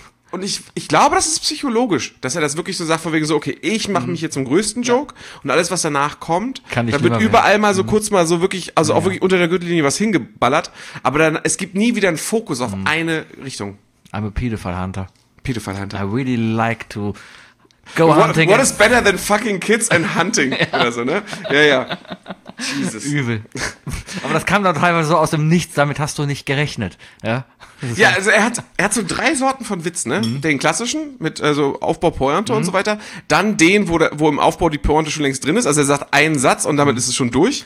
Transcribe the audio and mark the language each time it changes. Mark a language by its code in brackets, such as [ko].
[de] Und ich glaube, das ist psychologisch, dass er das wirklich so sagt, von wegen so, okay, ich mache mich jetzt zum größten Joke und alles, was danach kommt, da wird überall mal so kurz mal so wirklich, also auch wirklich unter der Gürtellinie was hingeballert, aber dann, es gibt nie wieder einen Fokus auf eine Richtung. [en] I'm a pedophile hunter. Pedophile hunter. I really like to go hunting. What is better than fucking kids and hunting? [de] Oder so, ne? Ja. Jesus. Übel. Aber das kam dann teilweise so aus dem Nichts, damit hast du nicht gerechnet. Ja, also er hat so 3 Sorten von Witz, ne? Den klassischen mit also Aufbau, Pointe und so weiter. Dann den, wo im Aufbau die Pointe schon längst drin ist. Also er sagt einen Satz und damit ist es schon durch.